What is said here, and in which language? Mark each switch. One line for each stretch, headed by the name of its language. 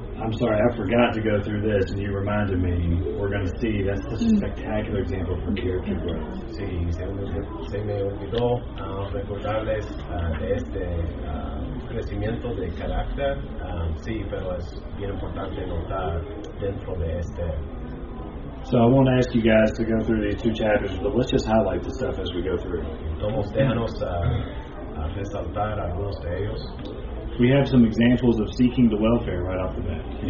English: I'm sorry, I forgot to go through this, and you reminded me. We're going to see that's just a spectacular example from character growth.
Spanish: Sí, se me olvidó recordarles de este crecimiento de carácter. Sí, pero es bien importante notar dentro de este.
English: So I won't ask you guys to go through these two chapters, but let's just highlight the stuff as we go through.
Spanish: Vamos déjanos a resaltar algunos de ellos.
English: We have some examples of seeking the welfare right off the bat.